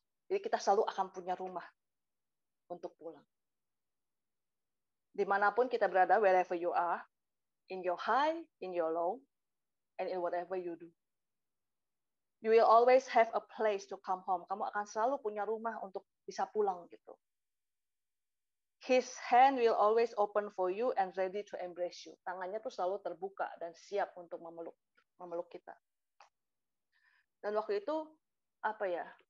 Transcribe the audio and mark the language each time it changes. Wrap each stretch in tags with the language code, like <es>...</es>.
<id>Jadi kita selalu akan punya rumah untuk pulang. Dimanapun kita berada,</id> <en>wherever you are, in your high, in your low, and in whatever you do. You will always have a place to come home.</en> <id>Kamu akan selalu punya rumah untuk bisa pulang gitu.</id> <en>His hand will always open for you and ready to embrace you.</en> <id>Tangannya tuh selalu terbuka dan siap untuk memeluk. memeluk kita. Dan waktu itu apa ya?</id>